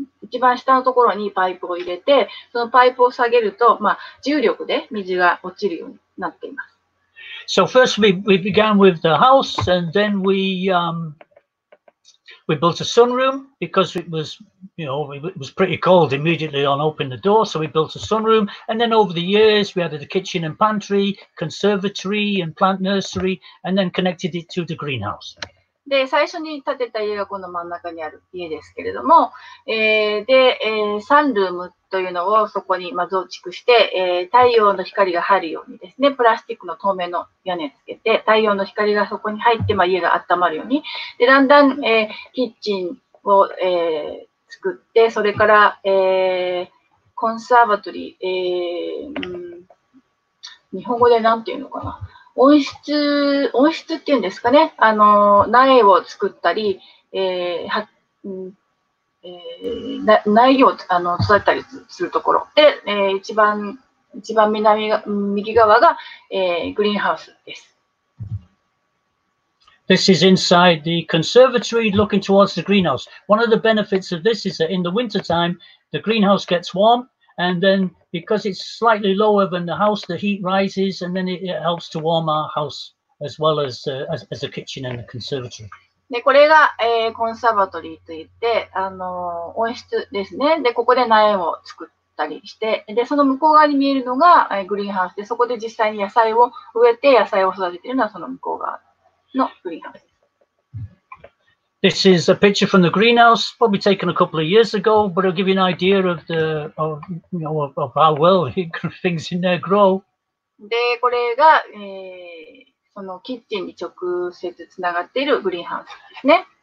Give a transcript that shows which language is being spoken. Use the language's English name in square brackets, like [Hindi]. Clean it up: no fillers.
[Japanese] 一番下のところにパイプを入れて、そのパイプを下げると、まあ、重力で水が落ちるようになっています。 [English] So first we began with the house and then we built a sunroom because it was, it was pretty cold immediately on opening the door. So we built a sunroom and then over the years we added a kitchen and pantry, conservatory and plant nursery and then connected it to the greenhouse. [Japanese] で最初に建てた家がこの真ん中にある家ですけれども、で、サンルームというのをそこにま増築して、太陽の光が入るようにですね、プラスチックの透明の屋根つけて、太陽の光がそこに入って、ま、家が温まるように、でだんだん、キッチンを、作って、それから、コンサーバトリー、日本語で何て言うのかな。温室っていうんですかね、苗を作ったり、苗木を育てたりするところで、一番右側が、グリーンハウスです。 [English] This is inside the conservatory looking towards the greenhouse. One of the benefits of this is that in the winter time, the greenhouse gets warm. And then, because it's slightly lower than the house, the heat rises, and then it helps to warm our house as well as a kitchen and a conservatory. [Japanese] で、これが、コンサーバトリーといって、温室ですね。で、ここで苗を作ったりして、で、その向こう側に見えるのが、グリーンハウスで、そこで実際に野菜を植えて、野菜を育てているのはその向こう側のグリーンハウス。 [English] This is a picture from the greenhouse, probably taken a couple of years ago, but it'll give you an idea of the, of, you know, of how well things in there grow. [Japanese] で、これが、そのキッチンに直接つながっているグリーンハウスですね。